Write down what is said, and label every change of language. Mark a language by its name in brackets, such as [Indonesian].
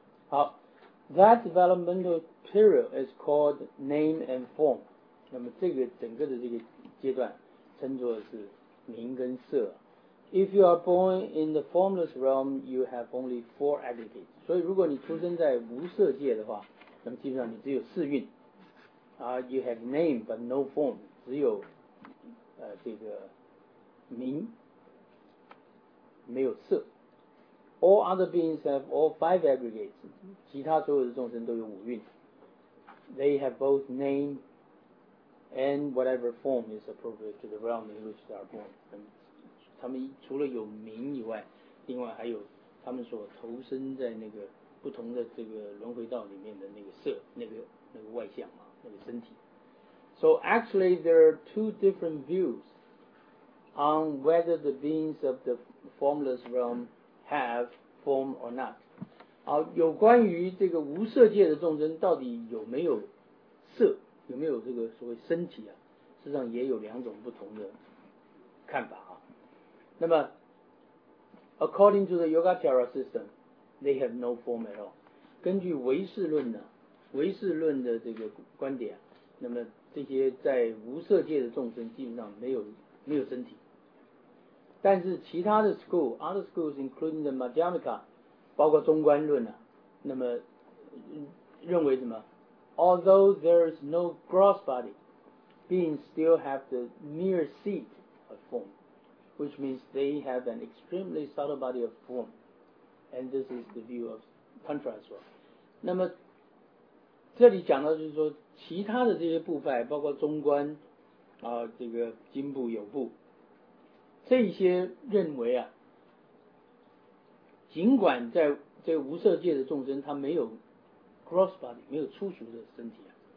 [English] 好， that developmental period is called name and form. [Chinese] 那么这个整个的这个阶段称作是名跟色。 [English] If you are born in the formless realm, you have only four aggregates. [Chinese] 所以如果你出生在无色界的话，那么基本上你只有四蕴。 [English] You have name but no form. [Chinese] 只有这个名，没有色。 [English] All other beings have all five aggregates. [Chinese] 其他所有的众生都有五蕴。 [English] They have both name and whatever form is appropriate to the realm in which they are born. [Chinese] 他们除了有名以外，另外还有他们所投身在那个不同的这个轮回道里面的那个色，那个外相嘛，那个身体。 [English] So actually, there are two different views on whether the beings of the formless realm have form or not. [Chinese] 有关于这个无色界的众生到底有没有色，有没有这个所谓身体啊？实际上也有两种不同的看法啊。 [English] 那么 ，according to the Yogacara system, they have no form at all. [Chinese] 根据唯识论呢，唯识论的这个观点，那么这些在无色界的众生基本上没有身体。但是其他的 [English] other schools including the Madhyamaka, [Chinese] 包括中观论啊，那么认为什么？ [English] Although there is no gross body, beings still have the mere seed of form, which means they have an extremely subtle body of form. And this is the view of Tantra as well. [Chinese] 那么这里讲到就是说，其他的这些部派，包括中观这个金部、有部，这些认为啊，尽管在这无色界的众生，他没有 [English] gross body， [Chinese] 没有粗俗的身体啊。